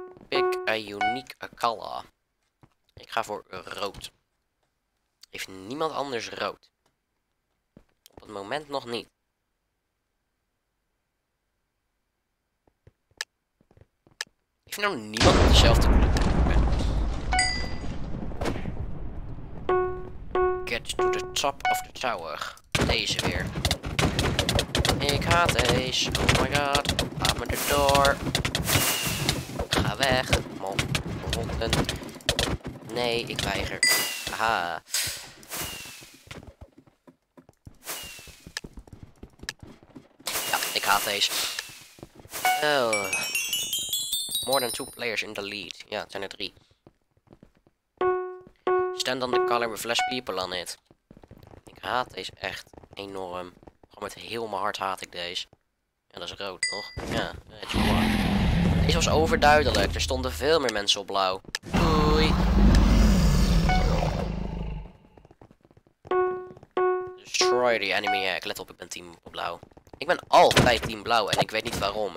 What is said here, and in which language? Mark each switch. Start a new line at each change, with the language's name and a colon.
English: Pick a unique color.
Dutch: Ik ga voor rood. Heeft niemand anders rood? Op het moment nog niet. Heeft nou niemand dezelfde kleur?
English: Get to the top of the tower.
Dutch: Deze weer. Ik haat deze.
English: Oh my god.
Dutch: Laat me erdoor. Ga weg. Man. Honden. Nee, ik weiger. Aha. Ja, ik haat deze. Oh.
English: More than 2 players in the lead.
Dutch: Ja, het zijn er 3.
English: Stand on the color with less people on it.
Dutch: Ik haat deze echt enorm. Gewoon met heel mijn hart haat ik deze. En dat is rood, toch? Ja,
English: red you are.
Dutch: Deze was overduidelijk. Er stonden veel meer mensen op blauw. Doei.
English: Destroy the enemy egg.
Dutch: Let op, ik ben team blauw. Ik ben altijd team blauw en ik weet niet waarom.